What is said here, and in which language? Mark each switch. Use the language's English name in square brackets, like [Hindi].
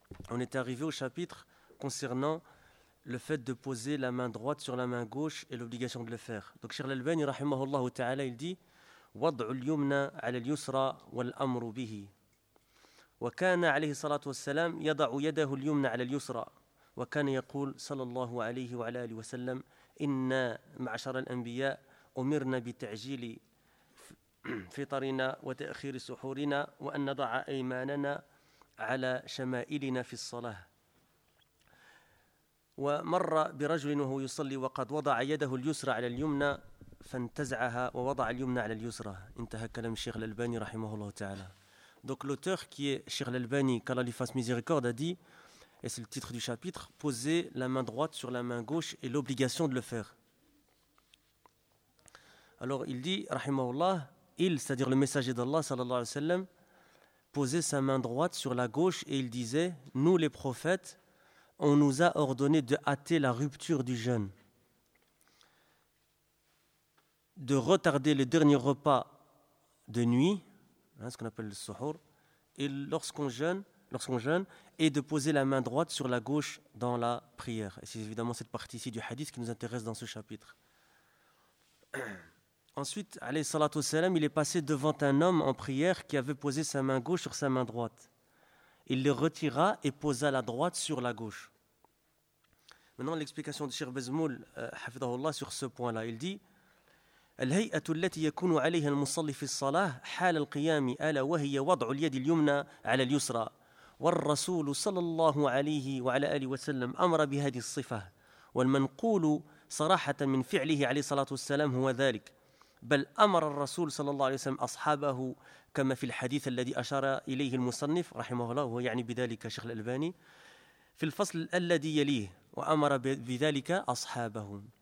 [French] On est arrivé au chapitre concernant le fait de poser la main droite sur la main gauche et l'obligation de le faire. Donc Cheikh Al-Albani rahimahullah ta'ala, il dit: [Arabic] وَضْعُ الْيُمْنَ عَلَى الْيُسْرَى وَالْأَمْرُ بِهِ وكان عليه الصلاة والسلام يضع يده اليمنى على اليسرى وكان يقول صلى الله عليه وعلى آله وسلم إن معشر الأنبياء أمرنا بتعجيل فطرنا وتأخير سحورنا وأن نضع أيماننا على شمائلنا في الصلاة. ومر برجل وهو يصلي وقد وضع يده اليسرى على اليمنى فانتزعها ووضع اليمنى على اليسرى. انتهى كلام الشيخ الألباني رحمه الله تعالى. [French] Donc l'auteur, qui est Cheikh Al-Albani, qu'Allah lui fasse miséricorde, a dit, et c'est le titre du chapitre, « Poser la main droite sur la main gauche et l'obligation de le faire. » Alors il dit, « Rahimahullah, il, c'est-à-dire le messager d'Allah, sallallahu alayhi wa sallam, posait sa main droite sur la gauche et il disait, « Nous, les prophètes, on nous a ordonné de hâter la rupture du jeûne, de retarder le dernier repas de nuit, ce qu'on appelle le suhur, et lorsqu'on jeûne, et de poser la main droite sur la gauche dans la prière. » Et c'est évidemment cette partie-ci du hadith qui nous intéresse dans ce chapitre. Ensuite, alayhi salatu wassalam, il est passé devant un homme en prière qui avait posé sa main gauche sur sa main droite. Il le retira et posa la droite sur la gauche. Maintenant, l'explication de Cheikh Bazmoul, hafidahullah, sur ce point-là, il dit: [Arabic] الهيئة التي يكون عليها المصلي في الصلاة حال القيام ألا وهي وضع اليد اليمنى على اليسرى، والرسول صلى الله عليه وعلى آله وسلم أمر بهذه الصفة، والمنقول صراحة من فعله عليه الصلاة والسلام هو ذلك، بل أمر الرسول صلى الله عليه وسلم أصحابه كما في الحديث الذي أشار إليه المصنف رحمه الله، يعني بذلك شيخ الألباني، في الفصل الذي يليه، وأمر بذلك أصحابه.